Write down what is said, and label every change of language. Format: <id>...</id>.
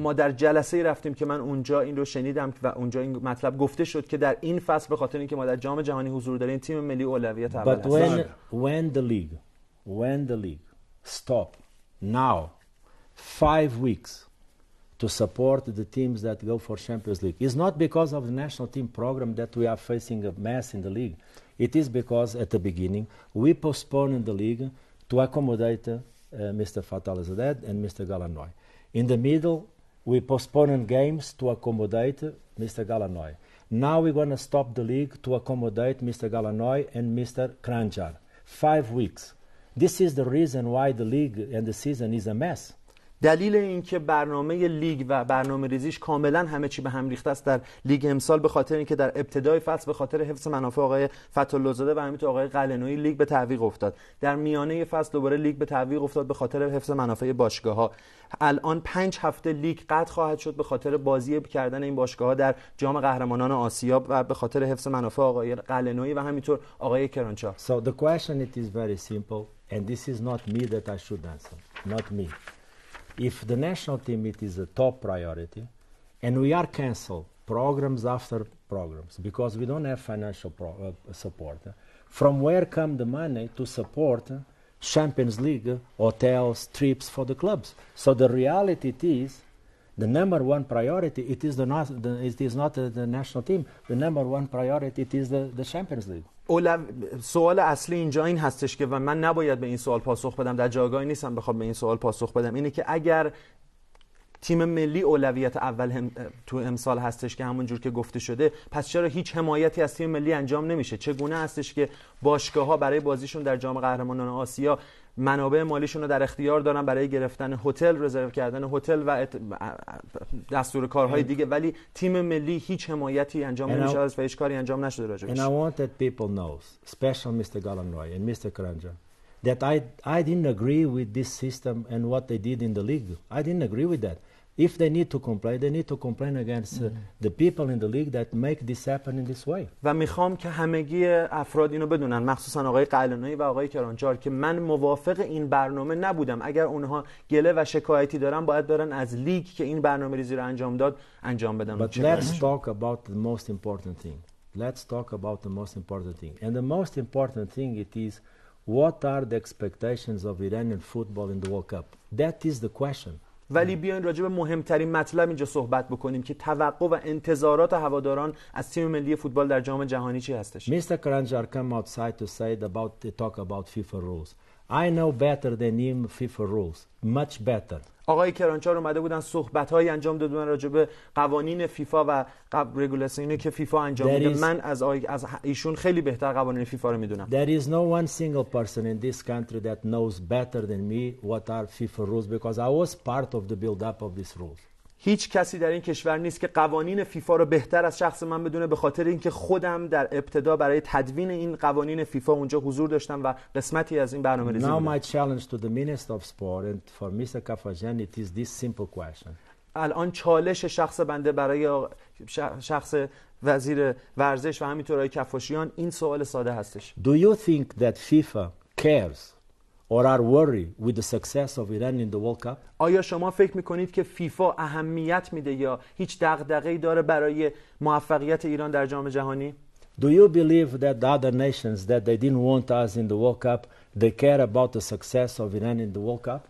<fa>ما در جلسه رفتیم که من اونجا این رو شنیدم و اونجا این مطلب گفته شد که در این فصل به خاطر اینکه ما در جام جهانی حضور داریم تیم ملی اولویت اول است.</fa> <en>But when the league stop now 5 weeks to support the teams that go for Champions League, it's not because of the national team program that we are facing a mess in the league. It is because at the beginning we postponed the league to accommodate Mr. Fatal Azadeh and Mr. Galanoy. In the middle, we postponed games to accommodate Mr. Galanoy. Now we're going to stop the league to accommodate Mr. Galanoy and Mr. Kranjar. 5 weeks. This is the reason why the league and the season is a mess.</en> <fa>دلیل اینکه برنامه لیگ و برنامه ریزیش کاملا همه چی به هم ریخته است در لیگ امسال به خاطر اینکه در ابتدای فصل به خاطر حفظ منافع آقای فتح‌الله‌زاده و همینطور آقای قلعه‌نویی لیگ به تعویق افتاد. در میانه فصل دوباره لیگ به تعویق افتاد به خاطر حفظ منافع باشگاه‌ها. الان 5 هفته لیگ قطع خواهد شد به خاطر بازی کردن این باشگاه‌ها در جام قهرمانان آسیا و به خاطر حفظ منافع آقای قلعه‌نویی و همینطور آقای کرانچا.</fa> <en>So the question it is very simple and this is not me that I should answer. Not me. If the national team it is a top priority and we are canceled programs after programs because we don't have financial support, from where come the money to support Champions League hotels, trips for the clubs? So the reality it is the number one priority it is not the national team. The number one priority it is the Champions League.</en> <fa>سوال اصلی اینجا این هستش که و من نباید به این سوال پاسخ بدم، در جایگاهی نیستم بخوام به این سوال پاسخ بدم، اینه که اگر تیم ملی اولویت اول تو امسال هستش که همون جور که گفته شده، پس چرا هیچ حمایتی از تیم ملی انجام نمیشه؟ چگونه هستش که باشگاه‌ها برای بازیشون در جام قهرمانان آسیا منابع مالیشون رو در اختیار دارن برای گرفتن هتل، رزرو کردن هتل و دستور کارهای دیگه، ولی تیم ملی هیچ حمایتی انجام نمیشه و هیچ کاری انجام نشده راجبش.</fa> <en>And I want that people know, especially Mr. Galanoy and Mr. Kranjar, that I didn't agree with this system and what they did in the league. I didn't agree with that. If they need to complain, they need to complain against the people in the league that make this happen in this way.</en> <fa>و میخوام که همگی افراد اینو بدونن، مخصوصا آقای قلعه‌نویی و آقای کرانچار، که من موافق این برنامه نبودم. اگر اونها گله و شکایتی دارن باید برن از لیگ که این برنامه ریزی رو انجام داد انجام بدن.</fa> <en>But let's talk about the most important thing. Let's talk about the most important thing. And the most important thing it is what are the expectations of Iranian football in the World Cup? That is the question.</en> <fa>ولی بیاین راجع به مهمترین مطلب اینجا صحبت بکنیم که توقع و انتظارات هواداران از تیم ملی فوتبال در جام جهانی چی هستش.</fa> <en>Mister Kranjcar come outside to said about talk about FIFA rules. I know better than him FIFA rules. Much better.</en> <fa>آقای کرانچار اومده بودن صحبت‌های انجام داده بودن راجع به قوانین فیفا و رگولاسیونی که فیفا انجام میده. من از ایشون خیلی بهتر قوانین فیفا رو میدونم.</fa> <en>There is no one single person in this country that knows better than me what are FIFA rules because I was part of the build up of these rules.</en> <fa>هیچ کسی در این کشور نیست که قوانین فیفا رو بهتر از شخص من بدونه به خاطر اینکه خودم در ابتدا برای تدوین این قوانین فیفا اونجا حضور داشتم و قسمتی از این برنامه ریزی بودم.</fa> <en>My challenge to the Minister of Sport and for Mr. Kafajan it is this simple question.</en> <fa>الان چالش شخص بنده برای شخص وزیر ورزش و همینطور آقای کفاشیان این سوال ساده هستش.</fa> <en>Do you think that FIFA cares or are worried with the success of Iran in the World Cup?</en> <fa>آیا شما فکر میکنید که فیفا اهمیت میده یا هیچ دغدغه‌ای داره برای موفقیت ایران در جام جهانی؟</fa> <en>Do you believe that the other nations that they didn't want us in the World Cup, they care about the success of Iran in the World Cup?</en>